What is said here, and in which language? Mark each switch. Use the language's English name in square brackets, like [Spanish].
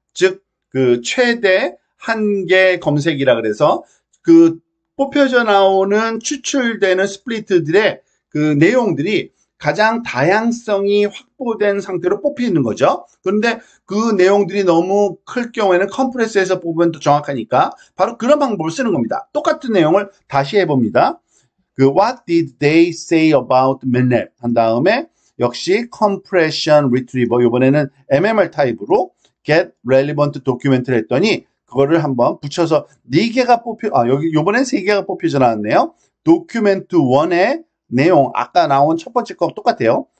[Korean] 즉, 그 최대 한계 검색이라 그래서 그 뽑혀져 나오는 추출되는 스플리트들의 그 내용들이 가장 다양성이 확보된 상태로 뽑히는 거죠. 그런데 그 내용들이 너무 클 경우에는 컴프레스에서 뽑으면 더 정확하니까 바로 그런 방법을 쓰는 겁니다. 똑같은 내용을 다시 해봅니다. [English] 그 What did they say about MATLAB? [Korean] 한 다음에 역시 Compression Retriever 이번에는 MMR 타입으로 Get Relevant Document를 했더니 그거를 한번 붙여서 4개가 뽑혀 아 여기 이번엔 3개가 뽑혀져 나왔네요. Document 1에 내용, 아까 나온 첫 번째 거 똑같아요.